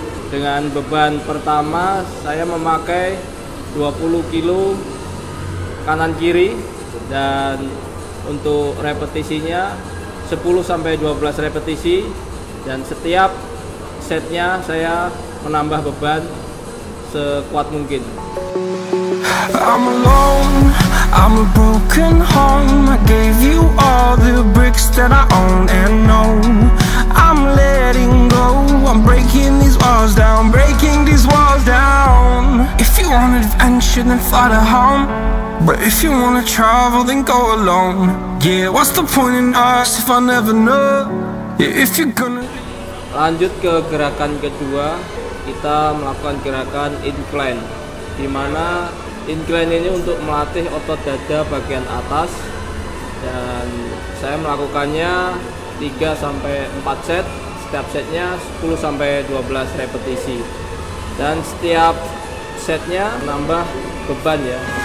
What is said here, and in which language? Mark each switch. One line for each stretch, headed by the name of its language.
Indonesian: Dengan beban pertama saya memakai 20 kilo kanan kiri, dan untuk repetisinya 10 sampai 12 repetisi, dan setiap setnya saya menambah beban sekuat mungkin.
English: I'm alone, I'm a broken home. I gave you all the bricks that I own and know. I'm letting go, I'm breaking these walls down, breaking these walls down. If you want adventure, then fly to home. But if you wanna travel, then go alone. Yeah, what's the point in us if I never know? Yeah, if you're gonna.
Indonesian: Lanjut ke gerakan kedua, kita melakukan gerakan incline, di mana incline ini untuk melatih otot dada bagian atas, dan saya melakukannya 3-4 set, setiap setnya 10-12 repetisi, dan setiap setnya menambah beban ya.